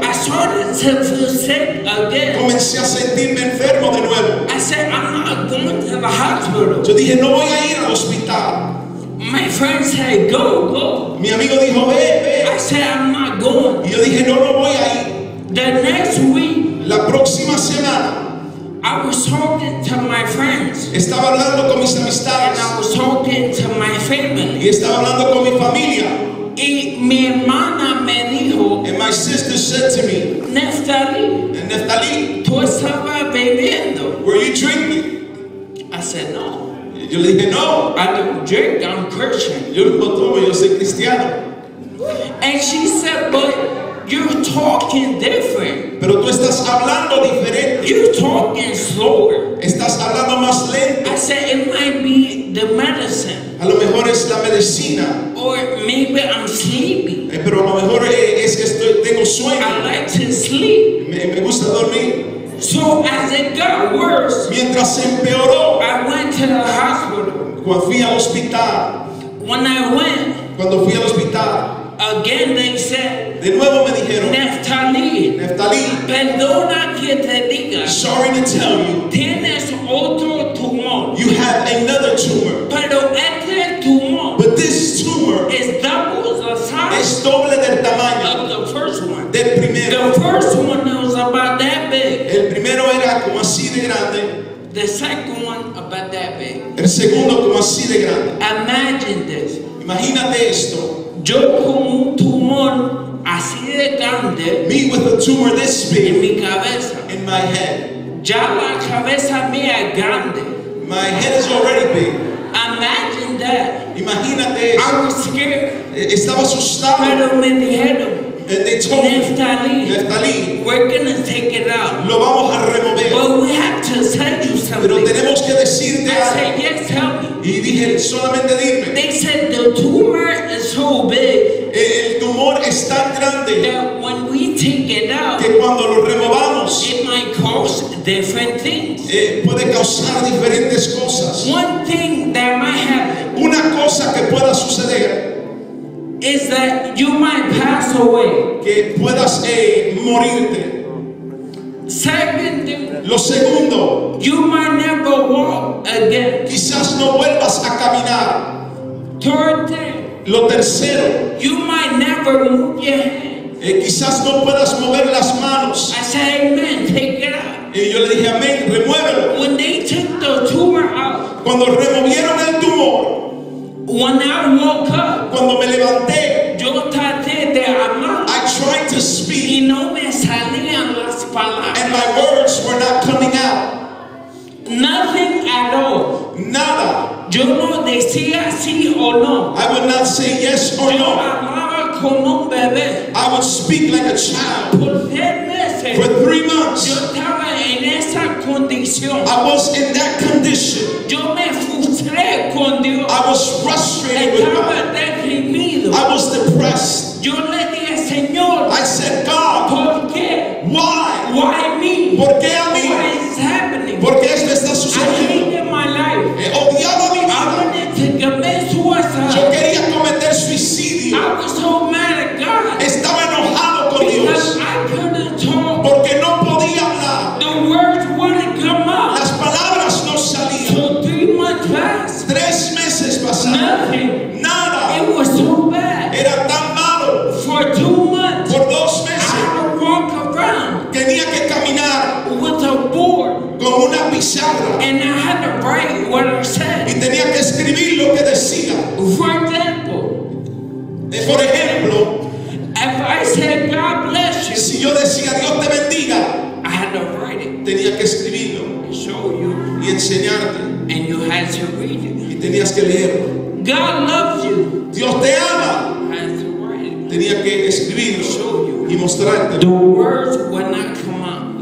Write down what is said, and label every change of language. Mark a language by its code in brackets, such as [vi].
[en] I started to feel sick again. [es] Comencé a sentirme enfermo de nuevo. [en] I said, I'm not going to the hospital. [es] Yo dije, no voy a ir al hospital. [en] My friend said, go, go. [es] Mi amigo dijo, ve, ve. [en] I said, I'm not going. [es] Y yo dije, no, no voy a ir. [en] The next week, [es] la próxima semana, [en] I was talking to my friends. [es] Estaba hablando con mis amistades. [en] And I was talking to my family. [es] Y estaba hablando con mi familia. Y mi hermana me dijo. [en] And my sister said to me. Neftali. And Neftali. [es] Tú estabas bebiendo. [en] Were you drinking? I said no. [es] Yo le dije no. [en] I don't drink. I'm Christian. [es] Yo no tomo. Yo soy cristiano. [en] And she said, but you're talking different. [es] Pero tú estás hablando diferente. [en] You're talking slower. [es] Estás hablando más lento. [en] I said it might be the medicine. [es] A lo mejor es la medicina. [en] Or maybe I'm sleepy. [es] Pero a lo mejor es que tengo sueño. [en] I like to sleep. [es] Me gusta dormir. [en] So as it got worse, [es] mientras se empeoró, [en] I went to the hospital. [es] Cuando fui al hospital. [en] When I went. [es] Cuando fui al hospital. [en] Again they said, [es] de nuevo me dijeron, Neftali, perdona que te diga, [en] sorry to tell you, [es] tienes otro tumor, [en] you have another tumor, [es] pero este tumor, [en] but this tumor, es double the size, [es] es doble del tamaño, [en] of the first one, [es] del primero, [en] the first one was about that big, [es] el primero era como así de grande, [en] the second one about that big, [es] el segundo como así de grande, [en] imagine this, [es] imagínate esto. Yo con un tumor así de grande. [en] Me with a tumor this big. [es] En mi cabeza. [en] In my head. [es] Ya la cabeza mía es grande. [en] My head is already big. Imagine that. [es] Imagínate eso. [en] I was scared. [es] Estaba asustado. Pero me dijeron. [en] They told me. Neftali. We're gonna take it out. [es] Lo vamos a remover. [en] But we have to tell you something. [es] Pero tenemos que decirte algo. [en] I said, yes, help me. [es] Y dije, solamente dime. [en] They said the tumor is so big. [es] El tumor es tan grande. [en] That when we take it out. [es] Que cuando lo removamos. [en] It might cause different things. [es] Puede causar diferentes cosas. [en] One thing that might happen. [es] Una cosa que pueda suceder. [en] Is that you might pass away. [es] Que puedas morirte. [en] Second, [es] lo segundo, [en] you might never walk again. [es] Quizás no vuelvas a caminar. [en] Third thing, [es] lo tercero, [en] you might never move your hand. [es] Quizás no puedas mover las manos. [en] I say amen, take it out. [es] Y yo le dije amén, remuévelo. [en] When they took the tumor out, [es] cuando removieron el tumor. [en] When I woke up, [es] cuando me levanté, yo traté de hablar, [en] I tried to speak, [es] y no me salían las palabras, [en] and my words were not coming out. Nothing at all. [es] Nada. Yo no decía sí o no. [en] I would not say yes or [es] yo [en] no. [es] Hablaba como un bebé. [en] I would speak like a child. [es] Por 3 meses, [en] for 3 months, [es] yo estaba en esa condición. [en] I was in that condition. [es] Yo me frustré con Dios. [en] I was frustrated [es] estaba [en] with God. [es] Deprimido. [en] I was depressed. [es] Yo le dije, Señor, [en] I said, God, [es] ¿por qué? [en] Why? Why me? [es] ¿Por qué a mí? [en] Why is happening? [es] ¿Por qué esto está sucediendo? [en] I hated my life. [es] Odiaba mi vida. [en] I wanted to commit suicide. [es] Yo quería cometer suicidio. [en] I was so mad at God. [es] Estaba enojado con [en] because [es] Dios. [en] I couldn't talk. [es] Porque no podía hablar. [en] The words wouldn't come out. [es] Las palabras no salían. [en] So 3 months passed. [es] 3 meses pasaron. [en] Nothing. [es] Nada. [en] It was so bad. [es] Era tan malo. [en] For 2 months. [es] Por 2 meses. [en] I had to walk around. [es] Tenía que caminar. [en] With a board. [es] Con una pizarra. [en] And I had to write what I said. [es] Y tenía que escribir lo que decía. [en] For example. [es] Por ejemplo. [en] If I said God bless you. [es] Si yo decía Dios te bendiga. [en] I had to write it. [es] Tenía que escribirlo. [en] And show you. [es] Y enseñarte. [en] And you had to read it. [es] Y tenías que leerlo. [en] God loves you. [es] Dios te ama. [en] I had to write it. [es] tenía que escribir y mostrarte. [en] The words would not come out.